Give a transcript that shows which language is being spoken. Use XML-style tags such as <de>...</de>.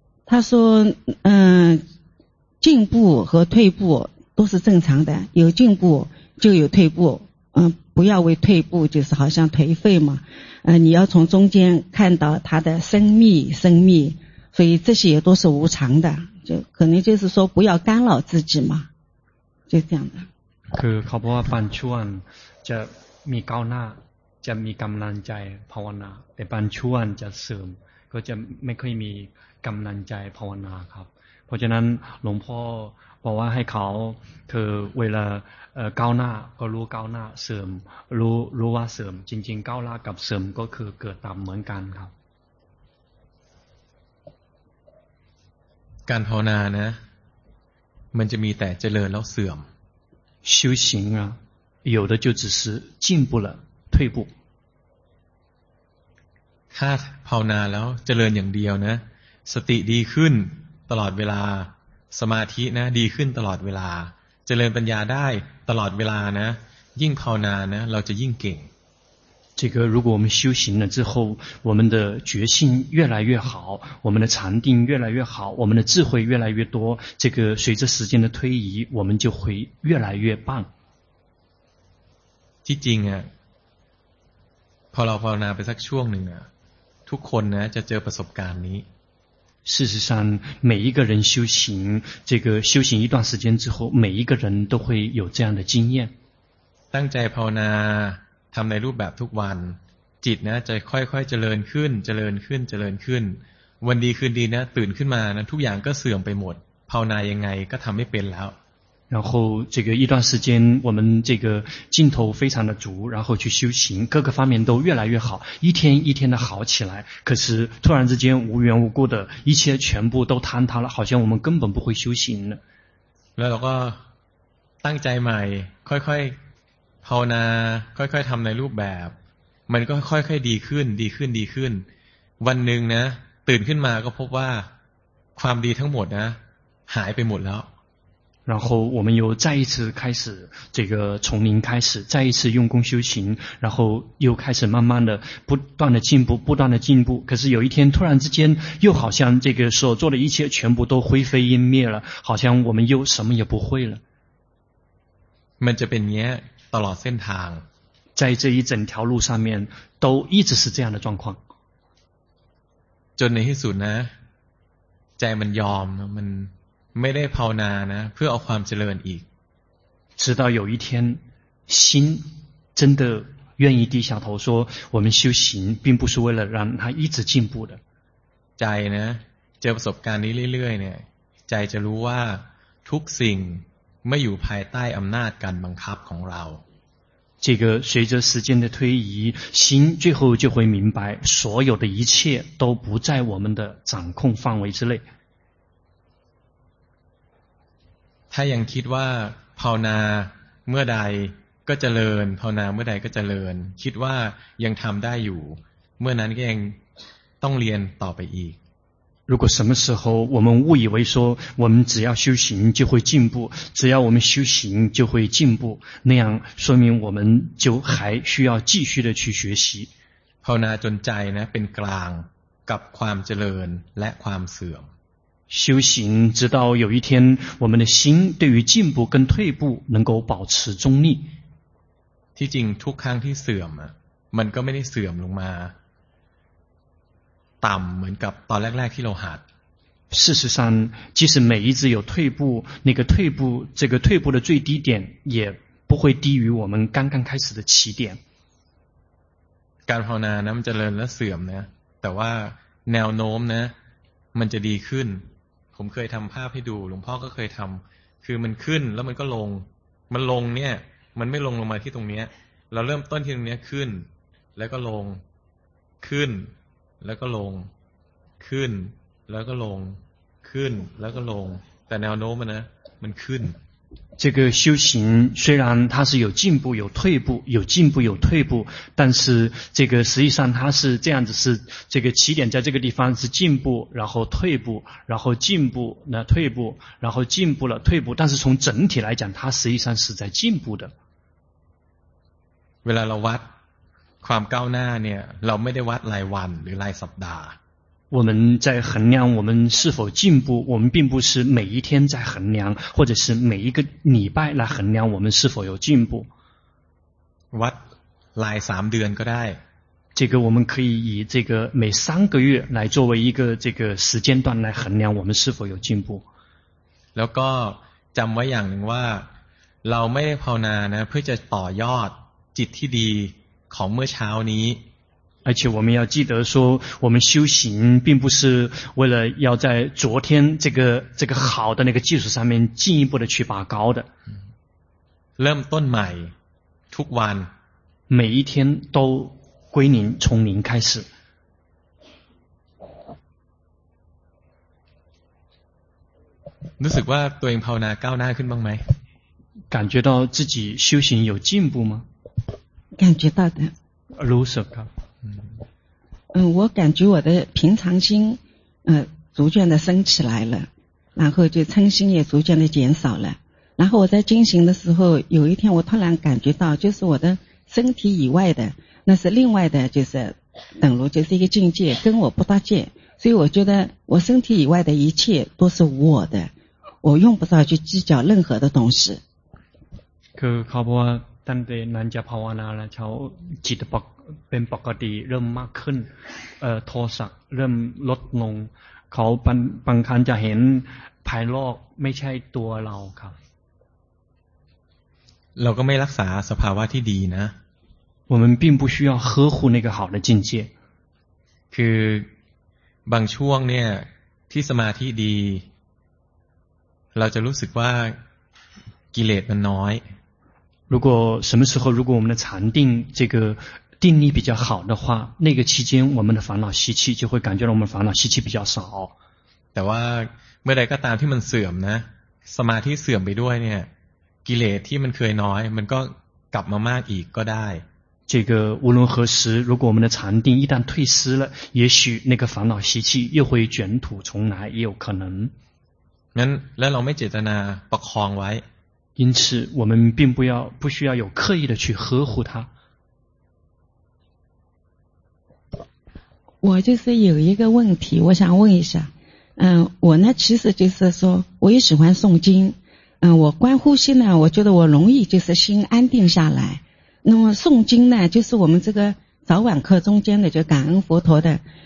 <zh>他说进步和退步都是正常的有进步就有退步不要为退步就是好像颓废嘛你要从中间看到他的生灭所以这些也都是无常的就可能就是说不要干扰自己嘛就这样的</zh> <th>คือเขาบอกว่าปัญชวนจะมีก้าวหน้าจะมีกำลังใจภาวนาแต่ปัญชวนจะเสริมก็จะไม่ค่อยมีกำลังใจภาวนาครับเพราะฉะนั้นหลวงพ่อบอกว่าให้เขาคือเวลาก้าวหน้าก็รู้ก้าวหน้าเสริมรู้ว่าเสริมจริงๆก้าวหน้ากับเสริมก็คือเกิดตามเหมือนกันครับ การภาวนานะมันจะมีแต่เจริญแล้วเสื่อม</th> <zh>修行啊有的就只是进步了退步</zh> <th>ถ้าภาวนาแล้วเจริญอย่างเดียวนะสติดีขึ้นตลอดเวลา สมาธินะดีขึ้นตลอดเวลาเจริญปัญญาได้ตลอดเวลานะยิ่งภาวนานะเราจะยิ่งเก่ง</th> <zh>这个如果我们修行了之后我们的觉性越来越好我们的禅定越来越好我们的智慧越来越多这个随着时间的推移我们就会越来越棒</zh> <th>ที่จริงอ่ะพอเราภาวนาไปสักช่วงหนึ่งอ่ะทุกคนนะจะเจอประสบการณ์นี้</th> <zh>事实上每一个人修行这个修行一段时间之后每一个人都会有这样的经验</zh> <th>ตั้งใจภาวนาทำในรูปแบบทุกวันจิตนะจะค่อยๆเจริญขึ้นเจริญขึ้นเจริญขึ้นวันดีคืนดีนะตื่นขึ้นมานะทุกอย่างก็เสื่อมไปหมดภาวนายังไงก็ทำไม่เป็นแล้ว</th> <zh>然后这个一段时间我们这个劲头非常的足然后去修行各个方面都越来越好一天一天的好起来可是突然之间无缘无故的一切全部都坍塌了好像我们根本不会修行了</zh> <th>แล้วก็ตั้งใจใหม่ค่อยๆภาวนาค่อยๆทำในรูปแบบมันก็ค่อยๆดีขึ้นดีขึ้นดีขึ้นวันหนึ่งนะตื่นขึ้นมาก็พบว่าความดีทั้งหมดนะหายไปหมดแล้ว</th> <zh>然后我们又再一次开始这个从零开始再一次用功修行然后又开始慢慢的不断的进步不断的进步可是有一天突然之间又好像这个所做的一切全部都灰飞烟灭了好像我们又什么也不会了</zh> <th>มันจะเป็นเนี้ยตลอดเส้นทาง</th> <zh>在这一整条路上面都一直是这样的状况</zh> <th>จนในที่สุดนะใจมันยอมมันไม่ได้ภาวนานะเพื่อเอาความเจริญอีก</th> <zh>直到有一天心真的愿意低下头说我们修行并不是为了让他一直进步的</zh> <th>ใจนะเจอประสบการณ์นี้เรื่อยๆเนี่ยใจจะรู้ว่าทุกสิ่งไม่อยู่ภายใต้อำนาจการบังคับของเรา</th> <zh>这个随着时间的推移心最后就会明白所有的一切都不在我们的掌控范围之内</zh> <th>ถ้ายังคิดว่าภาวนาเมื่อใดก็เจริญภาวนาเมื่อใดก็เจริญคิดว่ายังทำได้อยู่เมื่อนั้นก็ยังต้องเรียนต่อไปอีก</th> <zh>如果什么时候我们误以为说我们只要修行就会进步只要我们修行就会进步那样说明我们就还需要继续的去学习</zh> <th>ภาวนาจนใจนะเป็นกลางกับความเจริญและความเสื่อม</th> <zh>修行直到有一天我们的心对于进步跟退步能够保持中立</zh> <th>ที่จริงทุกครั้งที่เสื่อมมันก็ไม่ได้เสื่อมลงมาต่ำเหมือนกับตอนแรกๆที่เราหัด</th> <zh>事实上即使每一次有退步那个退步这个退步的最低点也不会低于我们刚刚开始的起点</zh> <th>การภาวนานะมันจะเริ่มและเสื่อมนะแต่ว่าแนวโน้มนะมันจะดีขึ้นผมเคยทำภาพให้ดูหลวงพ่อก็เคยทำคือมันขึ้นแล้วมันก็ลงมันลงเนี่ยมันไม่ลงลงมาที่ตรงเนี้ยเราเริ่มต้นที่ตรงเนี้ยขึ้นแล้วก็ลงขึ้นแล้วก็ลงขึ้นแล้วก็ลงขึ้นแล้วก็ลงแต่แนวโน้มมันนะมันขึ้น</th> <zh>这个修行虽然它是有进步有退步有进步有退步但是这个实际上它是这样子是这个起点在这个地方是进步然后退步然后进步那退步然后进步了退步但是从整体来讲它实际上是在进步的</zh> <th>เวลาเราวัดความก้าวหน้าเนี่ยเราไม่ได้วัดรายวันหรือรายสัปดาห์</th> <zh>我们在衡量我们是否进步我们并不是每一天在衡量或者是每一个礼拜来衡量我们是否有进步</zh> <th>วัดลาย3เดือนก็ได้</th> <zh>这个我们可以以这个每三个月来作为一个这个时间段来衡量我们是否有进步</zh> <th>แล้วก็จำไว้อย่างหนึ่งว่าเราไม่ได้ภาวนานะเพื่อจะต่อยอดจิตที่ดีของเมื่อเช้านี้</th> <zh>而且我们要记得说我们修行并不是为了要在昨天这个好的那个技术上面进一步的去拔高的</zh> <th>เริ่มต้นใหม่ทุกวัน</th> <zh>每一天都归零从零开始</zh> <th>รู้สึกว่าตัวเองภาวนาก้าวหน้าขึ้นบ้างไหม</th> <zh>感觉到自己修行有进步吗感觉到的</zh> <th>รู้สึกครับ</th> <zh>我感觉我的平常心逐渐的升起来了然后就嗔心也逐渐的减少了。然后我在进行的时候，有一天我突然感觉到，就是我的身体以外的，那是另外的，就是等如就是一个境界，跟我不搭界。所以我觉得我身体以外的一切都是我的，我用不着去计较任何的东西。</zh> <th>คือเขาบอกว่าตั้งแต่นั้นจะภาวนาแล้วเขาจิตเป็นปกติเริ่มมากขึ้นโทสะเริ่มลดลงเขาบางครั้งจะเห็นภายนอกไม่ใช่ตัวเราครับ เราก็ไม่รักษาสภาวะที่ดีนะ</th> <zh>我们并不需要呵护那个好的境界</zh> <th>คือบางช่วงเนี่ยที่สมาธิดีเราจะรู้สึกว่ากิเลสมันน้อย</th> <zh>如果什么时候如果我们的禅定这个定力比较好的话那个期间我们的烦恼习气就会感觉到我们烦恼习气比较少</zh> <th>แต่ว่าเมื่อใดก็ตามที่มันเสื่อมนะสมาธิเสื่อมไปด้วยเนี่ยกิเลสที่มันเคยน้อยมันก็กลับมามากอีกก็ได้</th> <zh>这个无论何时如果我们的禅定一旦退失了也许那个烦恼习气又会卷土重来也有可能</zh> <th>งั้นแล้วเราไม่เจตนาประคองไว้</th> <zh>因此我们并不要不需要有刻意的去呵护它我就是有一个问题我想问一下我呢其实就是说我也喜欢诵经我观呼吸呢我觉得我容易就是心安定下来那么诵经呢就是我们这个早晚课中间的就感恩佛陀的</zh>